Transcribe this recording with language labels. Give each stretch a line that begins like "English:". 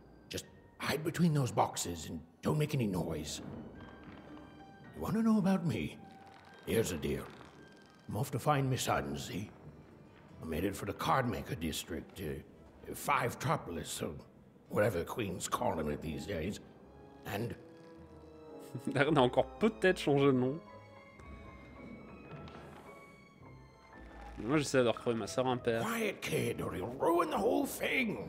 English: Just hide between those boxes and don't make any noise. You wanna know about me? Here's a deal. I'm off to find my son, see? I'm headed for the Cardmaker district, 5 Tropolis, so whatever the Queen's calling it these days. And
French: on a encore peut-être changé de nom. Moi, j'essaie de retrouver ma sœur impère.
English: Quiet, kid, or you'll ruin the whole thing.